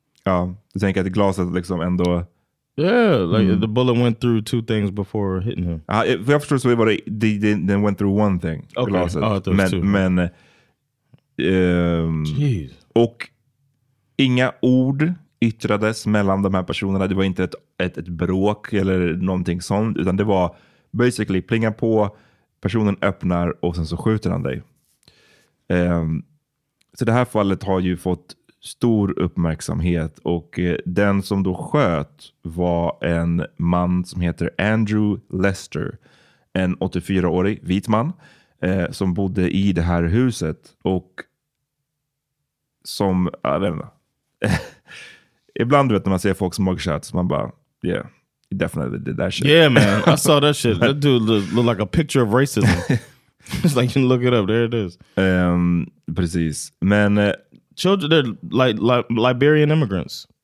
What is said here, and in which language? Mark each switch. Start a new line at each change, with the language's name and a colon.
Swedish: Ja, du tänker att glaset liksom ändå.
English: Yeah, like the bullet went through two things before hitting him.
Swedish: Ja, jag förstår så var det, den
English: went through one thing. Okay.
Swedish: Glaset. Oh, men jeez. Och inga ord yttrades mellan de här personerna. Det var inte ett bråk eller någonting sånt, utan det var basically plinga på, personen öppnar och sen så skjuter han dig. Så det här fallet har ju fått stor uppmärksamhet och den som då sköt var en man som heter Andrew Lester, en 84-årig vit man som bodde i det här huset och som, jag vet inte, ibland du vet när man ser folk som mugshots man bara, yeah.
English: Definitely did that shit. Yeah, man. I saw that shit. That dude looked like a picture of racism. It's like, you can look it up. There it is.
Swedish: Precis. Men
English: children, they're like Liberian immigrants.